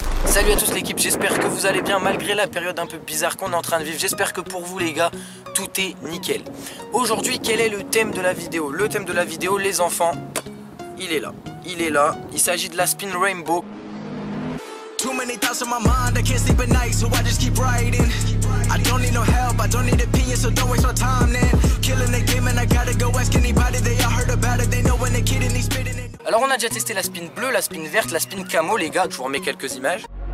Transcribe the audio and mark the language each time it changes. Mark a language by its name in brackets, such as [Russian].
[French] Salut à tous l'équipe, j'espère que vous allez bien malgré la période un peu bizarre qu'on est en train de vivre. J'espère que pour vous les gars, tout est nickel. Aujourd'hui, quel est le thème de la vidéo? Le thème de la vidéo, les enfants, il est là. Il est là, il s'agit de la Spin Rainbow. [English] Too many thoughts on my mind, I can't sleep at night, so I just keep writing. I don't need no help, I don't need opinion, so don't waste my time then. Killing the game and I gotta go ask anybody, they all heard about it, they know when they're kidding, they spitting it. [French] Alors on a déjà testé la spin bleue, la spin verte, la spin camo, les gars, je vous remets quelques images.